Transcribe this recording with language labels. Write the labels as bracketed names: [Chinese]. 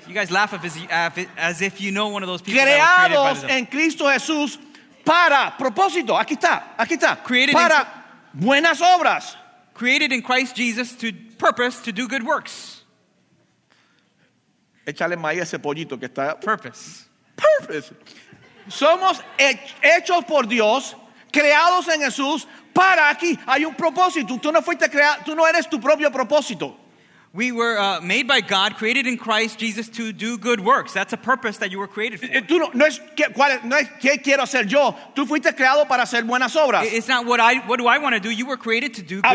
[English] You guys laugh as if you know one of those people. [Spanish] Creados en Cristo Jesús para propósito. Aquí está. [English] Created [Spanish] para buenas obras. [English] Created in Christ Jesus to purpose to do good works. [Spanish] Échale maíz a ese pollito que está. [English] Purpose. [Spanish] Somos hechos por Dios, creados en Jesús para aquí. Hay un propósito. Tú no fuiste creado. Tú no eres tu propio propósito. [English] We were made by God, created in Christ Jesus to do good works. That's a purpose that you were created for. [Spanish] Tú no es que cuál es, no es qué quiero hacer yo. Tú fuiste creado para hacer buenas obras. [English] It's not what do I want to do. You were created to do good works.